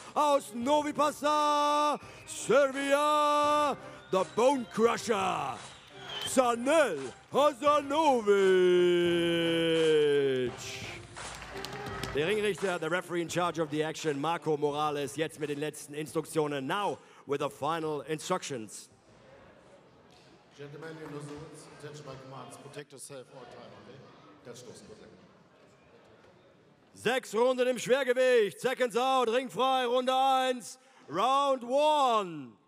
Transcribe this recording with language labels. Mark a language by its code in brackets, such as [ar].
[en] aus Novi Pazar, Serbia, the Bone Crusher, Sanel Hasanovic. [de] Der Ringrichter, [en] the referee in charge of the action, [de] Marco Morales, jetzt mit den letzten Instruktionen. [en] Now with the final instructions. Gentlemen, you know the attention by commands. Protect yourself all time, okay? [de] Das stoßen wir gleich. 6 Runden im Schwergewicht. [en] Seconds out, [de] ringfrei, Runde 1. [en] Round 1.